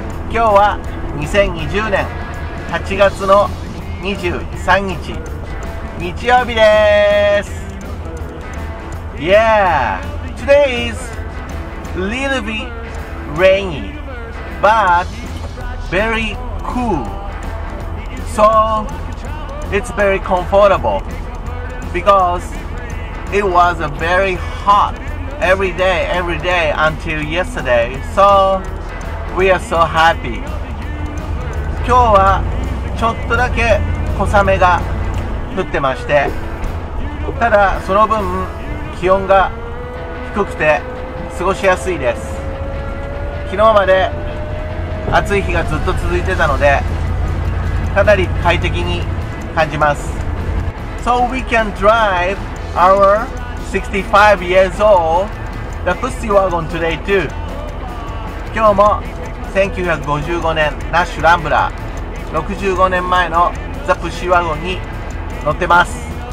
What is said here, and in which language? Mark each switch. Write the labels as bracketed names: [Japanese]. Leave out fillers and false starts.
[Japanese] 今日は2020年8月の23日日曜日です。 [English] Yeah! Today is little bit rainy but very cool, so it's very comfortable because it was very hot every day until yesterday, so we are so happy. [Japanese] 今日はちょっとだけ小雨が降ってまして、ただその分気温が低くて過ごしやすいです。昨日まで暑い日がずっと続いてたので、かなり快適に感じます。 [English] So we can drive our 65 years old the Pussy Wagon today too. [Japanese] 今日も1955年 Nash Rambler 65年前の The Pussy Wagon に乗ってます。